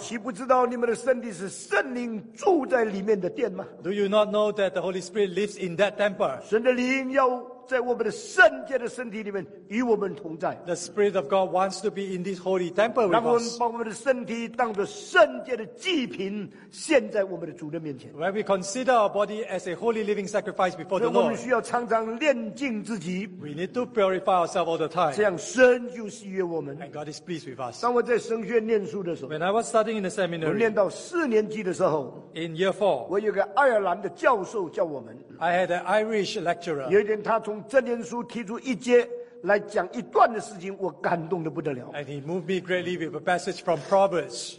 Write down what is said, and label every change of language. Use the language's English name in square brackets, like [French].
[Chinese] 岂不知道你们的身体是圣灵住在里面的殿吗？ [English] Do you not know that the Holy Spirit lives in that temple? [Chinese] 神的灵要在我们的圣洁的身体里面与我们同在。 [English] The Spirit of God wants to be in this holy temple with us. [Chinese] 让我们把我们的身体当作圣洁的祭品献在我们的主的面前。 [English] When we consider our body as a holy living sacrifice before the Lord. [Chinese] 所以我们需要常常炼净自己。 [English] We need to purify ourselves all the time. [Chinese] 这样神就喜悦我们。 [English] And God is pleased with us. [Chinese] 当我在神学院念书的时候。 [English] When I was studying in the seminary. [Chinese] 我念到四年级的时候。 [English] In year four. [Chinese] 我有个爱尔兰的教授叫我们。 [English] I had an Irish lecturer. [Chinese] 有一天他从箴言书提出一节来讲一段的事情，我感动得不得了。 [English] And he moved me greatly with a passage from Proverbs.